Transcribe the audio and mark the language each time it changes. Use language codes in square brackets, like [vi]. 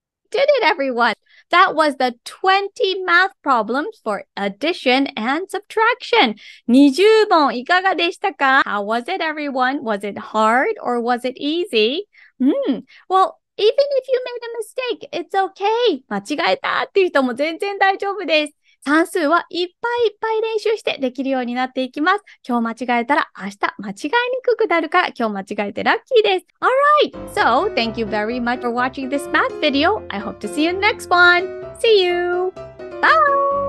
[en] Did it, everyone! That was the 20 math problems for addition and subtraction. [ja] 20問いかがでしたか? [en] How was it, everyone? Was it hard or was it easy? Well, even if you made a mistake, it's okay. [ja] 間違えたっていう人も全然大丈夫です。算数はいっぱいいっぱい練習してできるようになっていきます。今日間違えたら明日間違いにくくなるから今日間違えてラッキーです。 [en] So, thank you very much for watching this math video. I hope to see you in the next one. See you! Bye!